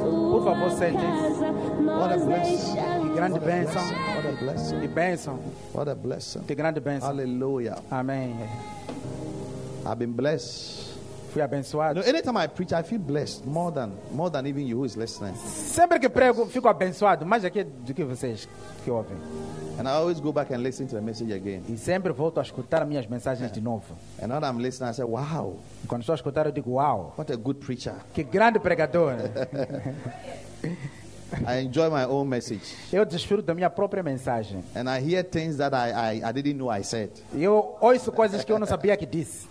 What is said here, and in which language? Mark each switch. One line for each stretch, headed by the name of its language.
Portuguese: Por favor, sente-se.
English: What a blessing.
Portuguese: Que grande bênção.
English: What a blessing.
Portuguese: Que bênção.
English: What a blessing.
Portuguese: Que grande bênção.
English: Hallelujah. Amen. I've been blessed.
Portuguese: Abençoado.
English: Anytime I preach, I feel blessed more than even you who is listening.
Portuguese: Sempre que prego, fico abençoado mais aqui do que vocês que ouvem.
English: And I always go back and listen to the message again.
Portuguese: E sempre volto a escutar minhas mensagens de novo.
English: And now that I'm listening, I say, wow.
Portuguese: Quando estou a escutar, eu digo, wow.
English: What a good preacher.
Portuguese: Que grande pregador.
English: I enjoy my own message.
Portuguese: Eu desfruto da minha própria mensagem.
English: And I hear things that I didn't know I said.
Portuguese: Eu ouço coisas que eu não sabia que disse.